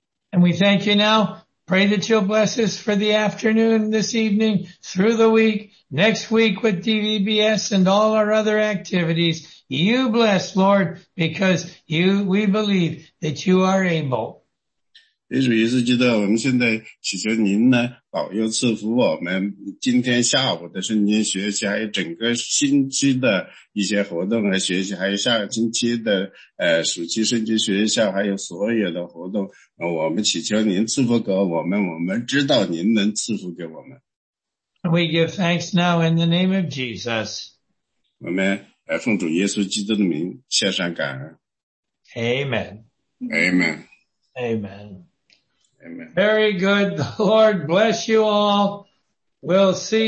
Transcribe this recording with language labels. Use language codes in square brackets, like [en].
[en] And we thank you now. Pray that you'll bless us for the afternoon, this evening, through the week, next week with DVBS and all our other activities. You bless, Lord, because we believe that you are able. [zh] 耶稣基督，我们现在祈求您呢，保佑赐福我们今天下午的圣经学习，还有整个星期的一些活动和学习，还有下星期的暑期圣经学校，还有所有的活动。我们祈求您赐福给我们，我们知道您能赐福给我们。 [en] We give thanks now in the name of Jesus. [zh] 我们奉主耶稣基督的名献上感恩。 [en] Amen. Amen. Amen. Amen. Very good. The Lord bless you all. We'll see you.